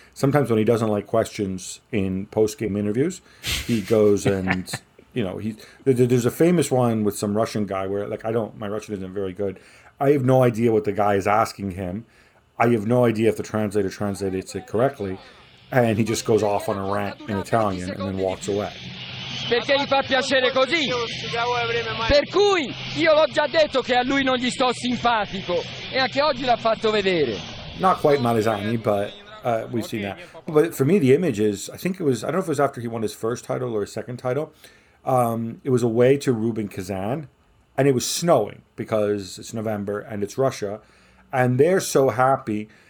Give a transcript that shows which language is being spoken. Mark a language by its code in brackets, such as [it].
[en] Sometimes when he doesn't like questions in post-game interviews, he goes and. You know, there's a famous one with some Russian guy where, like, my Russian isn't very good. I have no idea what the guy is asking him. I have no idea if the translator translated it correctly. And he just goes off on a rant in Italian and then walks away. [it] Perché gli fa piacere così? Per cui io l'ho già detto che a lui non gli sto simpatico. E anche oggi l'ha fatto vedere. [en] Not quite Malesani, but we've seen that. But for me, the image is, I don't know if it was after he won his first title or his second title. It was away to Rubin Kazan, and it was snowing because it's November and it's Russia, and they're so happy.